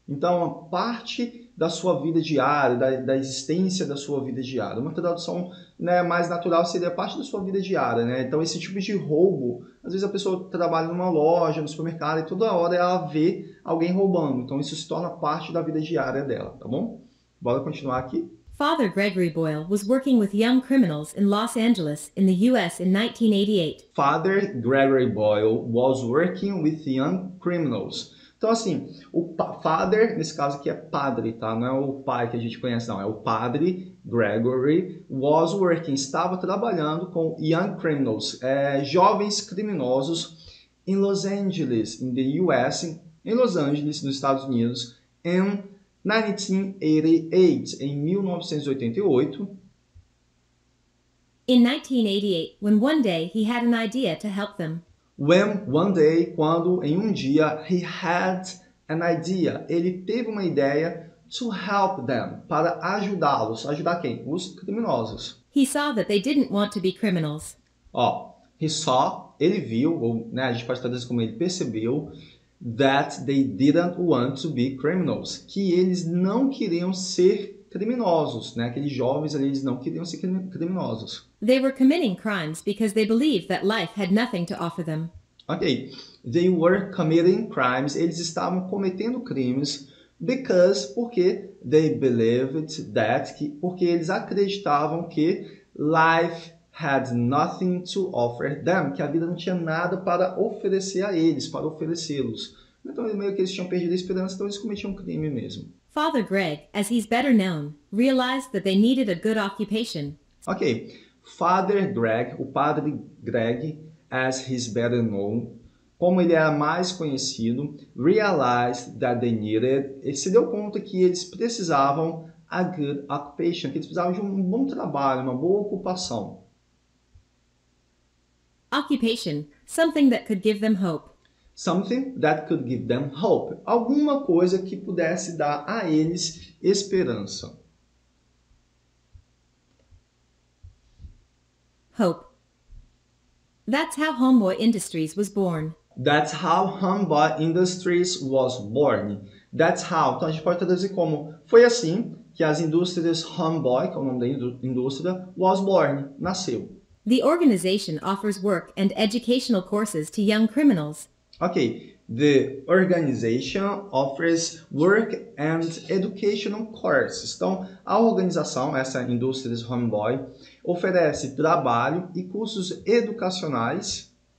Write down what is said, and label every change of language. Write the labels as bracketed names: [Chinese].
[Portuguese] Então, a parte da sua vida diária, da existência da sua vida diária. Uma tradução, né, mais natural seria parte da sua vida diária, né? Então, esse tipo de roubo, às vezes a pessoa trabalha numa loja, no supermercado, e toda hora ela vê alguém roubando. Então, isso se torna parte da vida diária dela, tá bom? Bora continuar aqui. [English] Father Gregory Boyle was working with young criminals in Los Angeles in the US in 1988. Father Gregory Boyle was working with young criminals. [Portuguese] Então, assim, o father, nesse caso aqui, é padre, tá? Não é o pai que a gente conhece, não. É o padre, Gregory, [English] was working, [Portuguese] estava trabalhando com [English] young criminals, [Portuguese] jovens criminosos, [English] in Los Angeles, in the US, [Portuguese] em Los Angeles, nos Estados Unidos, [English] in 1988, [Portuguese] em 1988. [English] In 1988, when one day he had an idea to help them. When one day, [Portuguese] quando em um dia, [English] he had an idea, [Portuguese] ele teve uma ideia [English] to help them, [Portuguese] para ajudá-los. Ajudar quem? Os criminosos. [English] He saw that they didn't want to be criminals. [Portuguese] Ó, [English] he saw, [Portuguese] ele viu, ou né, a gente pode traduzir como ele percebeu, [English] that they didn't want to be criminals, [Portuguese] que eles não queriam ser criminosos, né? Aqueles jovens ali, eles não queriam ser criminosos. [English] They were committing crimes because they believed that life had nothing to offer them. [Portuguese] Ok. [English] They were committing crimes. [Portuguese] Eles estavam cometendo crimes [English] because, [Portuguese] porque [English] they believed that, [Portuguese] porque eles acreditavam que [English] life had nothing to offer them, [Portuguese] que a vida não tinha nada para oferecer a eles, para oferecê-los. Então, meio que eles tinham perdido a esperança, então eles cometiam um crime mesmo. [English] Father Greg, as he's better known, realized that they needed a good occupation. [Portuguese] Ok. Father Greg, o padre Greg, [English] as he's better known, [Portuguese] como ele era mais conhecido, [English] realized that they needed, [Portuguese] ele se deu conta que eles precisavam [English] a good occupation, [Portuguese] que eles precisavam de um bom trabalho, uma boa ocupação. [English] Occupation, something that could give them hope. Something that could give them hope. [Portuguese] Alguma coisa que pudesse dar a eles esperança. [English] Hope. That's how Homeboy Industries was born. That's how Homeboy Industries was born. That's how. [Portuguese] Então a gente pode traduzir como foi assim que as indústrias Homeboy, que é o nome da indústria, [English] was born, [Portuguese] nasceu. [English] The organization offers work and educational courses to young criminals. Ok, the organization offers work and educational courses. [Portuguese] Então, a organização, essa Industries Homeboy, oferece trabalho e cursos educacionais